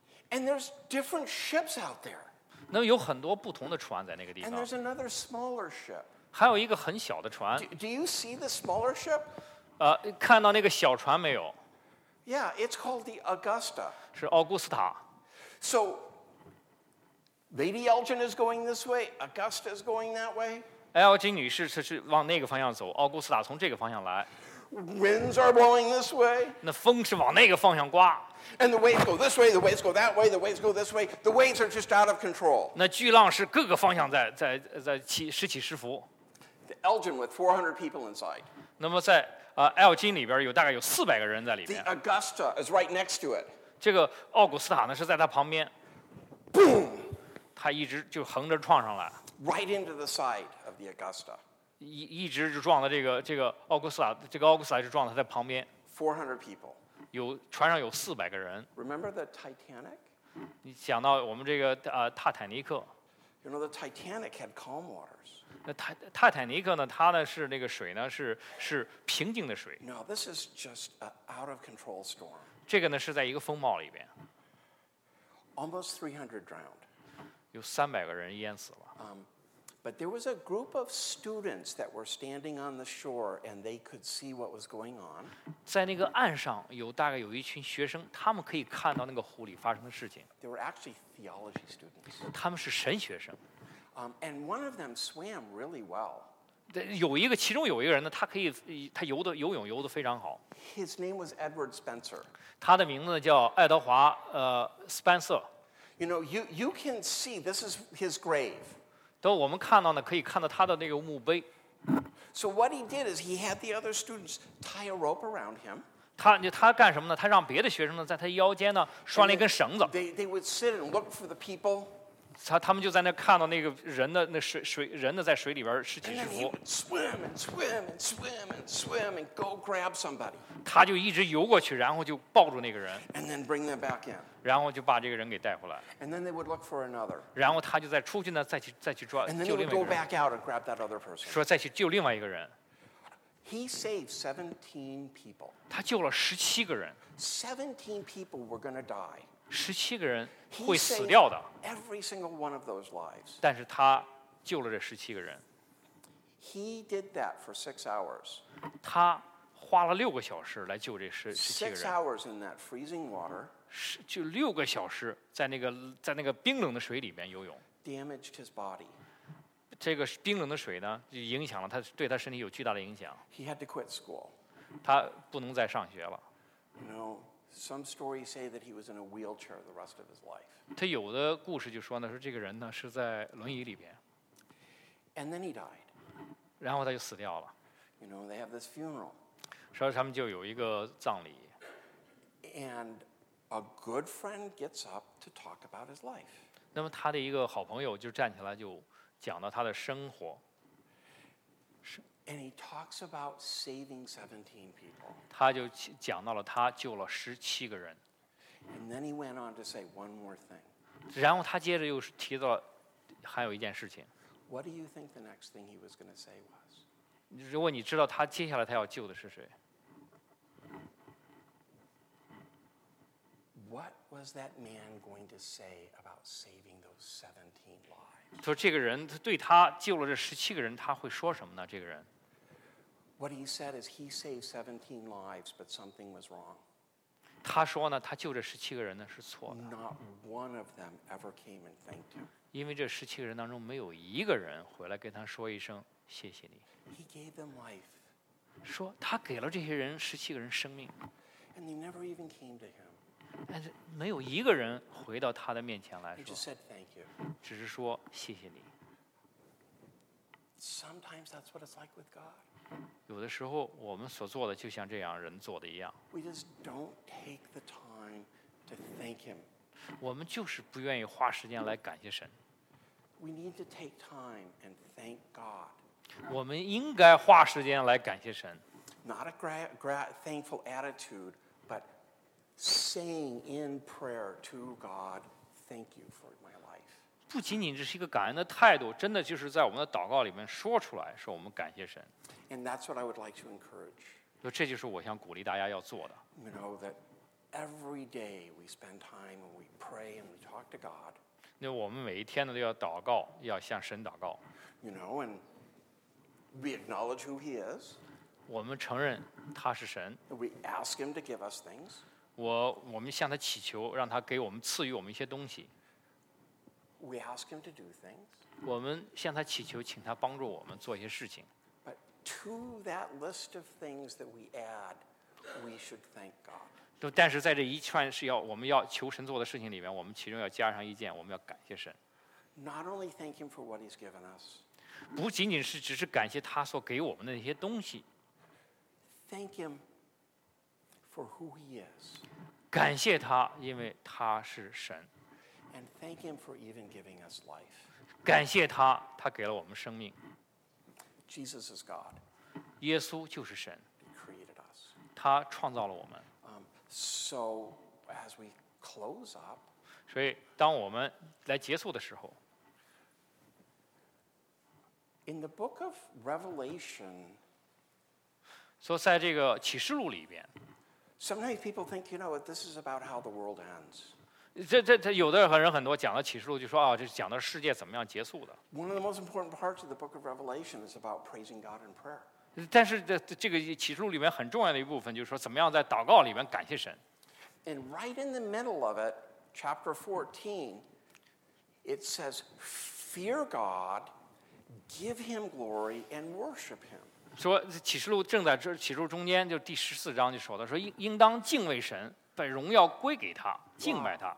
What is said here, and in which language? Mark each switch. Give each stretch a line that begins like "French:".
English: And there's different ships out there.
Chinese: 那有很多不同的船在那个地方。
English: And there's another smaller ship.
Chinese: 还有一个很小的船。
English: Do you see the smaller ship?
Chinese: 看到那个小船没有？
English: Yeah, it's called the Augusta.
Chinese: 是奥古斯塔。
English: So, Lady Elgin is going this way. Augusta is going that way.
Chinese: Elgin 女士是往那个方向走，奥古斯塔从这个方向来。
English: Winds are blowing this way.
Chinese: 那风是往那个方向刮。
English: And the waves go this way, the waves go that way, the waves go this way. The waves are just out of control.
Chinese: 那巨浪是各个方向在起时起时伏。
English: The Elgin with 400 people inside.
Chinese: 那么在Elgin 里边有大概有四百个人在里面。
English: The Augusta is right next to it.
Chinese: 这个奥古斯塔呢是在它旁边。
English: Boom!
Chinese: 它一直就横着撞上来。
English: Right into the side of the Augusta.
Chinese: 一直就撞到这个奥古斯塔，这个奥古斯塔就撞到它旁边。
English: 400 people.
Chinese: 有船上有四百个人。
English: Remember the Titanic?
Chinese: 你想到我们这个泰坦尼克。
English: You know the Titanic had calm waters.
Chinese: 那泰坦尼克呢？它呢是那个水呢是平静的水。
English: No, this is just an out of control storm.
Chinese: 这个呢是在一个风暴里边。
English: Almost 300 drowned.
Chinese: 有三百个人淹死了。
English: But there was a group of students that were standing on the shore, and they could see what was going on.
Chinese: 在那个岸上有大概有一群学生，他们可以看到那个湖里发生的事情。
English: They were actually theology students.
Chinese: 他们是神学生。
English: And one of them swam really well.
Chinese: 有一个，其中有一个人呢，他可以，他游的游泳游的非常好。
English: His name was Edward Spencer.
Chinese: 他的名字叫爱德华，Spencer.
English: You know, you can see this is his grave.
Chinese: 都我们看到呢，可以看到他的那个墓碑。
English: So what he did is he had the other students tie a rope around him.
Chinese: 他干什么呢？他让别的学生呢，在他腰间呢拴了一根绳子。
English: They would sit and look for the people.
Chinese: 他们就在那看到那个人的那水人的在水里边时起时伏。
English: And then he would swim and swim and swim and swim and go grab somebody.
Chinese: 他就一直游过去，然后就抱住那个人。
English: And then bring them back in.
Chinese: 然后就把这个人给带回来。
English: And then they would look for another.
Chinese: 然后他就再出去呢，再去抓救另外一个人。
English: And then he would go back out and grab that other person.
Chinese: 说再去救另外一个人。
English: He saved 17 people.
Chinese: 他救了十七个人。
English: 17 people were going to die.
Chinese: 十七个人会死掉的。
English: He saved every single one of those lives.
Chinese: 但是他救了这十七个人。
English: He did that for 6 hours.
Chinese: 他花了六个小时来救这十七个人。
English: 6 hours in that freezing water.
Chinese: 就六个小时在那个冰冷的水里面游泳
English: damaged his body.
Chinese: 这个冰冷的水呢就影响了他对他身体有巨大的影响
English: he had to quit school.
Chinese: 他不能再上学了
English: you know, some stories say that he was in a wheelchair the rest of his life.
Chinese: 他有的故事就说呢说这个人呢是在轮椅里边
English: and then he died.
Chinese: 然后他就死掉了
English: you know, they have this funeral.
Chinese: 所以他们就有一个葬礼
English: andA good friend gets up to talk about his life.
Chinese: 那么他的一个好朋友就站起来就讲到他的生活。
English: And he talks about saving 17 people.
Chinese: 他就讲到了他救了十七个人。
English: And then he went on to say one more thing.
Chinese: 然后他接着又提到还有一件事情。
English: What do you think the next thing he was going to say was?
Chinese: 如果你知道他接下来他要救的是谁。
English: What was that man going to say about saving those 17 lives?
Chinese: 说这个人，他对他救了这十七个人，他会说什么呢？这个人。
English: What he said is he saved 17 lives, but something was wrong.
Chinese: 他说呢，他救这十七个人呢是错的。
English: Not one of them ever came and thanked him.
Chinese: 因为这十七个人当中没有一个人回来跟他说一声谢谢你。
English: He gave them life.
Chinese: 说他给了这些人十七个人生命。
English: And they never even came to him.
Chinese: 但是没有一个人回到他的面前来说
English: He just said, Thank you.
Chinese: 只是说谢谢你
English: Sometimes that's what it's like with God.
Chinese: 有的时候我们所做的就像这样人做的一样
English: We just don't take the time to thank him
Chinese: 我们就是不愿意花时间来感谢神。
English: We need to take time and thank God.
Chinese: 我们应该花时间来感谢神。
English: Not a thankful attitude, but saying in prayer to God, "Thank you for my life."
Chinese: 不仅仅这是一个感恩的态度，真的就是在我们的祷告里面说出来，说我们感谢神。
English: And that's what I would like to encourage.
Chinese: 这就是我想鼓励大家要做的。
English: You know that every day we spend time and we pray and we talk to God.
Chinese: 那我们每一天呢都要祷告，要向神祷告。
English: You know, and we acknowledge who He is.
Chinese: 我们承认他是神。
English: We ask Him to give us things.
Chinese: 我们向他祈求，让他给我们赐予我们一些东西。
English: We ask Him to do things.
Chinese: 我们向他祈求，请他帮助我们做一些事情。
English: But to that list of things that we add, we should thank God.
Chinese: 但是在这一串是要我们要求神做的事情里面，我们其中要加上一件，我们要感谢神。
English: Not only thank Him for what He's given us，
Chinese: 不仅仅是只是感谢他所给我们的那些东西。
English: Thank Him for who He is，
Chinese: 感谢他，因为他是神。
English: And thank Him for even giving us life，
Chinese: 感谢他，他给了我们生命。
English: Jesus is God，
Chinese: 耶稣就是神。
English: He created us，
Chinese: 他创造了我们。
English: So as we close up,
Chinese: 所以当我们来结束的时候
English: ，In the book of Revelation,
Chinese: 说在这个启示录里边
English: ，Sometimes people think, you know, this is about how the world ends.
Chinese: 这有的人很多讲的启示录就说啊，这讲的世界怎么样结束的。
English: One of the most important parts of the book of Revelation is about praising God in prayer.
Chinese: 但是这个启示录里面很重要的一部分就是说怎么样在祷告里面感谢神。
English: And right in the middle of it, chapter 14, it says, fear God, give him glory and worship him.
Chinese: 说启示录正在这启示录中间就第十四章就说的说应当敬畏神把荣耀归给他敬拜他。